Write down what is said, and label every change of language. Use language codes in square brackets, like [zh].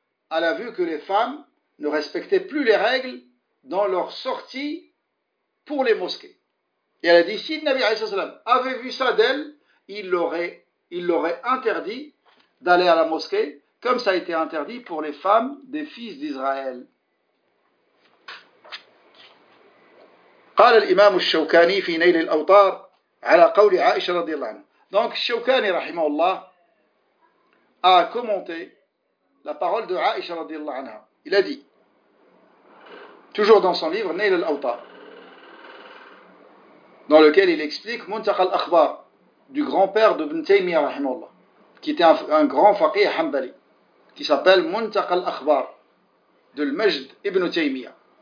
[fr] Elle a vu que les femmes ne respectaient plus les règles dans leur sortie pour les mosquées. Et elle a dit, si le Nabi alayhi salam avait vu ça d'elle, il l'aurait interdit d'aller à la mosquée, comme ça a été interdit pour les femmes des fils d'Israël. [ar] قال الإمام الشوكاني في نيل الأوطار على قول عائشة رضي الله عنها. [fr] Donc Shawkani رحمه الله a commenté la parole de Aïcha [ar] رضي الله عنها. [fr] Il a dit, toujours dans son livre نيل الأوطار, dans lequel il explique منتقى الأخبار du grand-père de Ibn Taymiyyah رحمه الله, qui était un grand faqih hanbali, qui s'appelle Muntaqa al-Akhbar de Al-Majd ibn Taymiyyah.